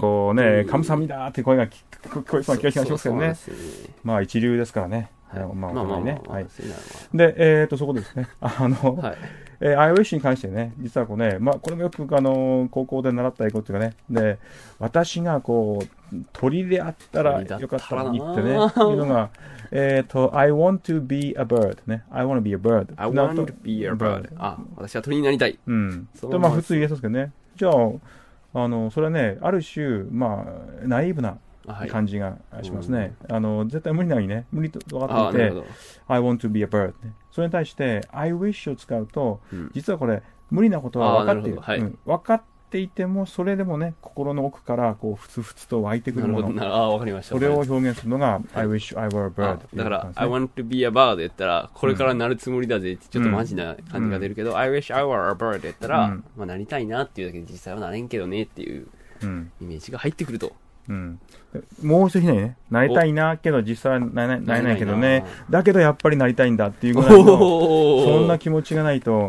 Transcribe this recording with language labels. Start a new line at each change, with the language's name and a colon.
Japanese: こうね、カムサミだって声が聞こえそうな気がしますけどね。まあ一流ですからね。まあまあまあ、ね、はい、で、そこですね。はい、 I wish に関してね、実はこうね、まあ、これもよく高校で習った英語っていうかね、で、私がこう、鳥であったらよかったらにってね、いうのが、
English: I want to be a bird ね。 I want to be a bird。 I want to be a bird。
Japanese: あ、私は鳥になりたい。うん。と、まあ、普通言えそうですけどね。じゃあ、それはね、ある種、まあ、ナイーブな、はい、感じがしますね、うん、絶対無理なのにね、無理と分かっていて、
English: I want to be a bird、
Japanese: ね、それに対して I wish を使うと、うん、実はこれ無理なことは分かっている、はい、うん、分かっていてもそれでもね、心の奥からこうふつふつと湧いてくるもの、なるほど、あ、分かりました、それを表現するのが、はい、
English: I wish I were a bird、
Japanese: ね、だから
English: I want to be a bird
Japanese: やったらこれからなるつもりだぜってちょっとマジな感じが出るけど、うん、
English: I wish I were a bird
Japanese: やったら、うん、まあ、なりたいなっていうだけで実際はなれんけどねっていう、うん、イメージが入ってくると、うん、もう一ひねりね、なりたいなけど実際はなれないけどね、だけどやっぱりなりたいんだっていうぐらいの、そんな気持ちがないと